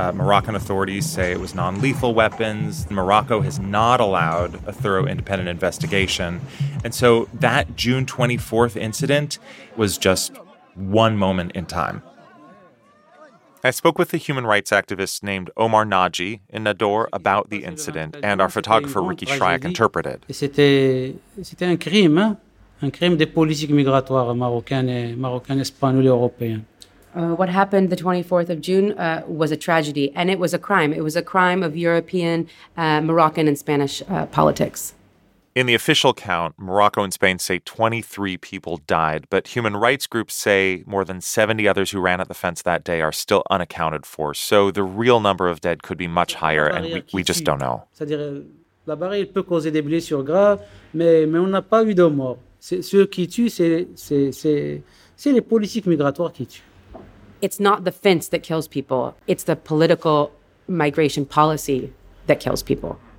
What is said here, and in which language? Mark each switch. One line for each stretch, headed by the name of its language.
English: Moroccan authorities say it was non-lethal weapons. Morocco has not allowed a thorough independent investigation. And so that June 24th incident was just one moment in time. I spoke with a human rights activist named Omar Naji in Nador about the incident, and our photographer Ricky Shryak interpreted.
French: C'était un crime des politiques migratoires marocaines, espagnoles, européennes.
English: What happened the 24th of June was a tragedy, and it was a crime. It was a crime of European, Moroccan, and Spanish politics. In the official count, Morocco and Spain say 23 people died, but human rights groups say more than 70 others who ran at the fence that day are still unaccounted for. So the real number of dead could be much higher, and we just don't know.
French: C'est-à-dire, la barrière peut causer des blessures graves, mais on n'a pas eu de mort. Ceux qui tuent, c'est les politiques migratoires qui tuent.
English: It's not the fence that kills people. It's the political migration policy that kills people.